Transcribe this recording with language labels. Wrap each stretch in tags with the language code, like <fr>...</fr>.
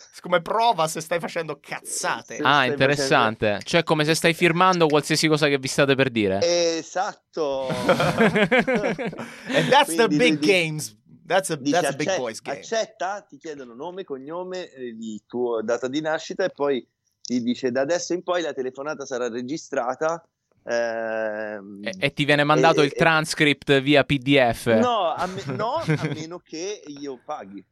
<it>Come prova se stai facendo cazzate. Ah, interessante. Facendo... Cioè come se stai firmando qualsiasi cosa che vi state per dire. Esatto.</it> <en>And that's</en> <it>quindi,</it> <en>the big games. That's a big boy's game.</en> <it>Accetta, ti chiedono nome, cognome, il tuo data di nascita e poi ti dice da adesso in poi la telefonata sarà registrata. E ti viene mandato il transcript via PDF. No, a meno che io paghi.</it>